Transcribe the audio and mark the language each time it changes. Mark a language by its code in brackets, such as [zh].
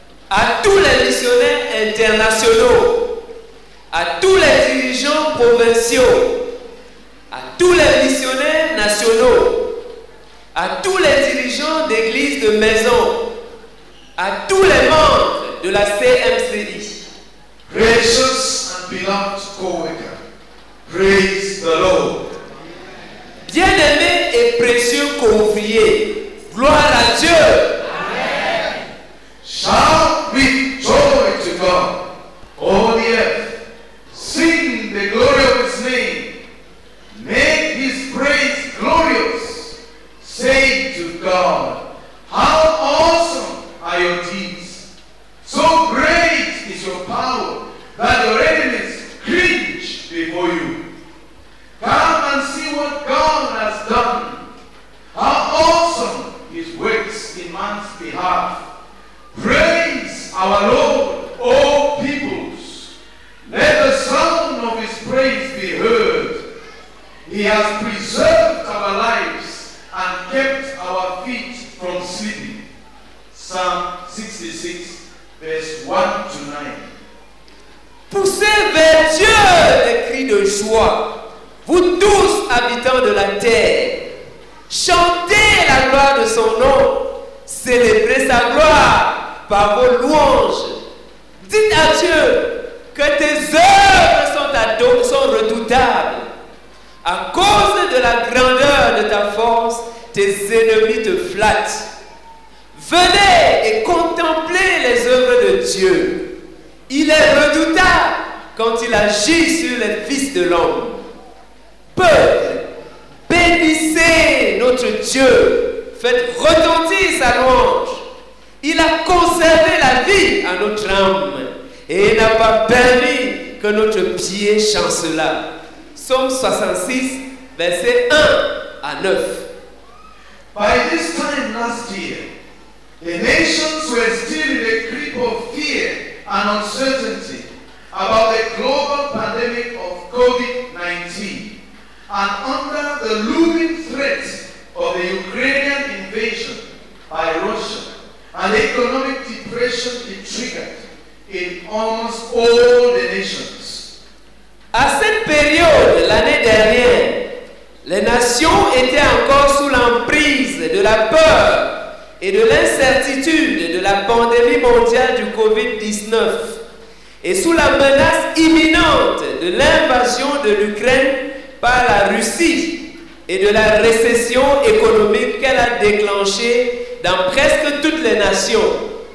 [fr] À tous les missionnaires internationaux, à tous les dirigeants provinciaux, à tous les missionnaires nationaux, à tous les dirigeants d'églises de maison, à tous les membres de la CMCI. [en] Gracious and beloved co-worker, praise the Lord. [fr] Bien-aimé et précieux co-ouvrier, gloire à Dieu. Amen. [en] Shout with joy to God, all the earth. Sing the glory of His name. Make His praise glorious. Say to God, how awesome are your deeds. So great is your power that your enemies cringe before you. Come and see what God has done. How awesome His works in man's behalf. Praise our Lord, O peoples. Let the sound of His praise be heard. He has preserved our lives and kept our feet from sleeping. Psalm 66, verse 1 to 9. [fr] Poussez vers Dieu des cris de joie, vous tous habitants de la terre. Chantez la gloire de son nom, célébrez sa gloire par vos louanges. Dites à Dieu que tes œuvres sont redoutables. À cause de la grandeur de ta force, tes ennemis te flattent. Venez et contemplez les œuvres de Dieu. Il est redoutable quand il agit sur les fils de l'homme. Peuple, bénissez nos notre Dieu. Faites retentir sa louange. Il a conservé la vie à notre âme et n'a pas permis que notre pied chancela. Psaume 66, versets 1 à 9. [en] By this time last year, the nations were still in a grip of fear and uncertainty about the global pandemic of COVID-19 and under the looming threat of the Ukrainian invasion by Russia and the economic depression it triggered in almost all the nations. [fr] À cette période, l'année dernière, les nations étaient encore sous l'emprise de la peur et de l'incertitude de la pandémie mondiale du COVID-19 et sous la menace imminente de l'invasion de l'Ukraine par la Russie et de la récession économique qu'elle a déclenchée dans presque toutes les nations.